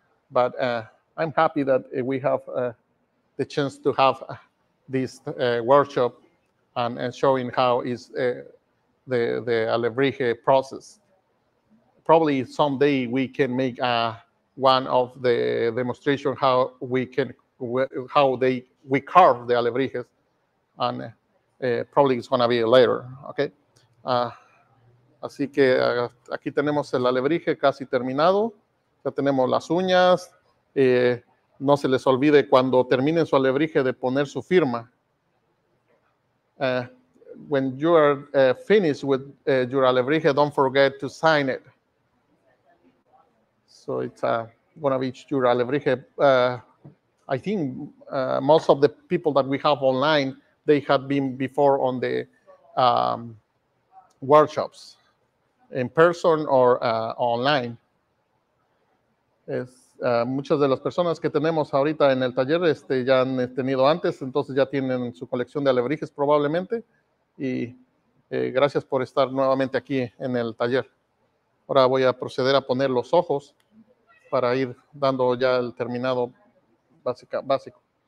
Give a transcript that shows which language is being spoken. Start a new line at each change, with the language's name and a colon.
English: But I'm happy that we have the chance to have this workshop and showing how is the Alebrije process. Probably someday we can make one of the demonstration how we can how we carve the Alebrijes, and probably it's gonna be later. Okay.
Spanish: Así que aquí tenemos el alebrije casi terminado. Ya tenemos las uñas. No se les olvide cuando terminen su alebrije de poner su firma.
English: When you are finished with your alebrije, don't forget to sign it. So it's gonna be your alebrije. I think most of the people that we have online, they had been before on the workshops, in person or online.
Spanish: Muchas de las personas que tenemos ahorita en el taller ya han tenido antes, entonces ya tienen su colección de alebrijes probablemente. Y gracias por estar nuevamente aquí en el taller. Ahora voy a proceder a poner los ojos para ir dando ya el terminado básico.